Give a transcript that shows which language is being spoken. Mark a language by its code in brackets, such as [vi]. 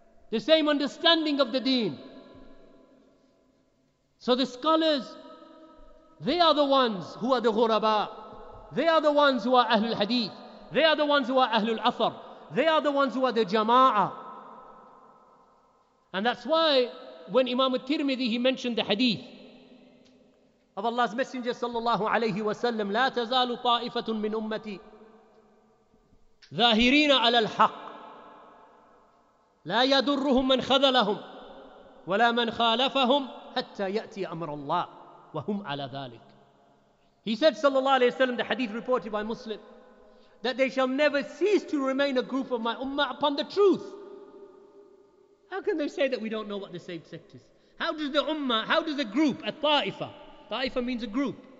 [en] The same understanding of the deen. So the scholars, they are the ones who are the ghuraba. They are the ones who are ahlul hadith. They are the ones who are ahlul athar. They are the ones who are the jama'ah. And that's why when Imam al-Tirmidhi, he mentioned the hadith of Allah's Messenger sallallahu alayhi wa sallam, [ar] لا تزال طائفة من أمتي ظاهرين على الحق لا يدرهم من خذلهم ولا من خالفهم حتى يأتي أمر الله وهم على ذلك. [en] He said sallallahu alayhi wa sallam, the hadith reported by Muslim, that they shall never cease to remain a group of my ummah upon the truth. How can they say that we don't know what the saved sect is? How does the ummah, how does a group, a ta'ifa, ta'ifa means a group.